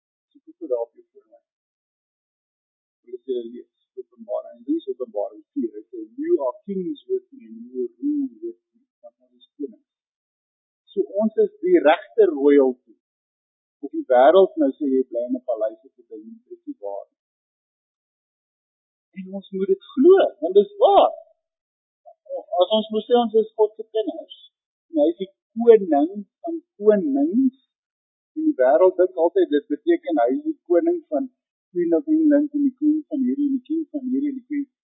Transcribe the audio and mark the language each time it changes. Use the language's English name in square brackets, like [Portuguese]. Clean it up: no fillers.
[Afrikaans] So dit is daar op jou voorlees. Wil jy lees Openbaring, lees Openbaring 4. Hy sê [English] you are kings with me and you will rule with me. [Afrikaans] Want ons is konings. So ons is die regte royalty. Op die wêreld nou sê jy bly in 'n paleis of dit is presies waar. En ons moet dit glo, want dit is waar. As ons moet sê ons is God se kinders, en hy is die koning van konings, en die wêreld dink altyd dit beteken hy is die koning van Queen of England en die koning van hierdie en die koning van hierdie en die koning.